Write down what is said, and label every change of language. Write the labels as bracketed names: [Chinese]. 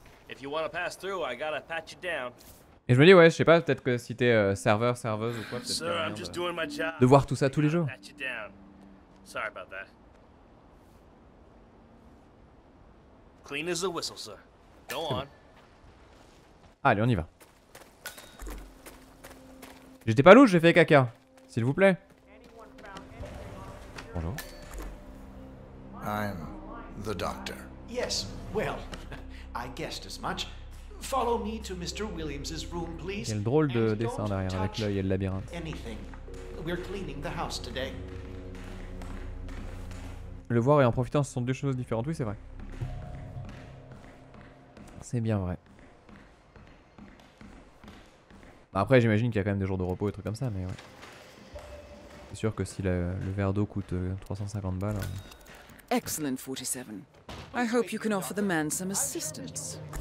[English] If you wanna pass through, I gotta patch it down. [French] Et je me dis, ouais, je sais pas, peut-être que si t'es serveur, serveuse ou quoi, peut-être [English] sir, I'm just doing my job. [French] De voir tout ça tous les jours. [English] Sorry about that. Clean as a whistle, sir. Go on. [French] Allez, on y va. J'étais pas louche, j'ai fait caca. S'il vous plaît. Bonjour. [English] I'm the doctor. Yes, well, I guessed as much. Follow me to Mr. Williams's room, please. [French] Quel drôle de dessin derrière avec l'œil et le labyrinthe. [English] Anything. We're cleaning the house today. [French] Le voir et en profiter, ce sont deux choses différentes. Oui, c'est vrai. C'est bien vrai. Après, j'imagine qu'il y a quand même des jours de repos et trucs comme ça, mais ouais. C'est sûr que si le verre d'eau coûte 350 balles. Ouais. [English] Excellent 47. I hope you can offer the man some assistance.